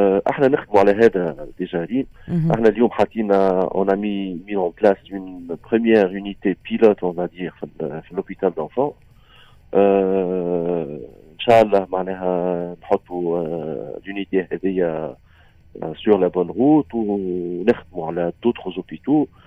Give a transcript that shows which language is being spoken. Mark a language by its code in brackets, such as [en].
[ar] احنا نخدم على هذا ديجارين. احنا اليوم حكينا [fr] on a mis en place une première unité pilote on va dire في l'hôpital d'enfant. [ar] ان شاء الله معناها نحطوا l'unité هذه [fr] sur la bonne route [ar] ونخدموا على [fr] d'autres hôpitaux.